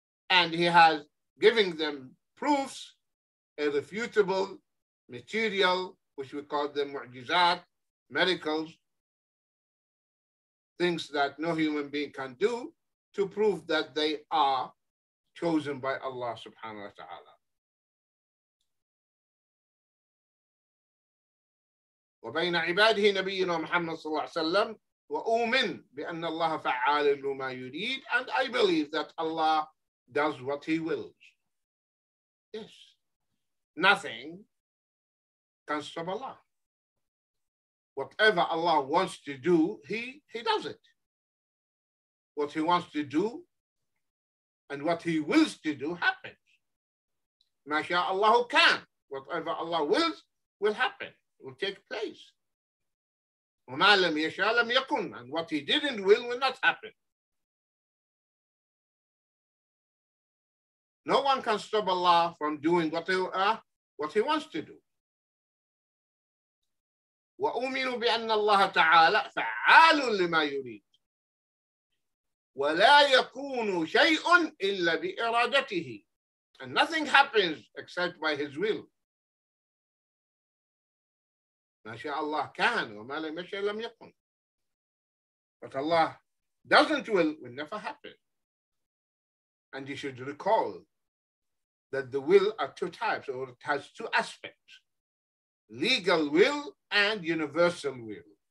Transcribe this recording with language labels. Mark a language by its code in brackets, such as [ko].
[en] And he has given them proofs, irrefutable material, which we call the mu'jizat, miracles, things that no human being can do, to prove that they are chosen by Allah subhanahu wa ta'ala. [ar] وبين عباده نبينا محمد صلى الله عليه وسلم وأؤمن بأن الله فعال لما يريد [en] and I believe that Allah does what he wills. Yes. Nothing can stop Allah. Whatever Allah wants to do, he does it. What he wants to do and what he wills to do happens. [ar] Ma sha Allah kan. [en] Whatever Allah wills will happen, will take place. [ar] وما لم يشاء لم يكن. [en] And what he didn't will not happen. No one can stop Allah from doing what he wants to do. [ar] وأؤمن بأن الله تعالى فعال لما يريد ولا يكون شيء إلا بإرادته. [en] And nothing happens except by his will. [ar] ما شاء الله كان وما لم يشاء لم يكن. [en] But Allah doesn't will never happen. And you should recall that the will are two types, or it has two aspects: legal will and universal will.